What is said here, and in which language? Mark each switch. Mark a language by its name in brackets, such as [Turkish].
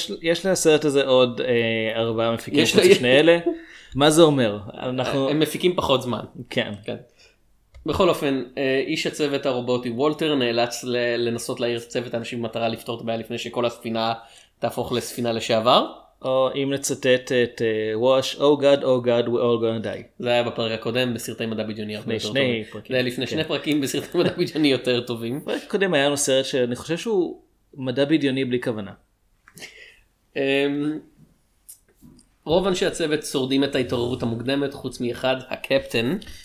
[Hebrew] יש לסרט הזה עוד ארבעה מפיקים יש חוץ שני אלה? מה זה אומר? אנחנו... הם מפיקים פחות זמן. כן. כן. בכל אופן, איש הצוות הרובוטי וולטר נאלץ לנסות להעיר צוות האנשים במטרה לפתור את הבעיה לפני שכל הספינה... תהפוך לספינה לשעבר. או אם נצטט את וואש, [English] Oh God, Oh God, We're All Gonna Die. [Hebrew] זה היה בפרק הקודם בסרטי מדע בדיוני הרבה יותר טובים. לפני שני פרקים. זה היה לפני שני פרקים בסרטי מדע בדיוני יותר טובים. פרק קודם היה לנו סרט שאני חושב שהוא מדע בדיוני בלי כוונה. רוב אנשי הצוות שורדים את ההתעוררות המוקדמת, חוץ מאחד, הקפטן.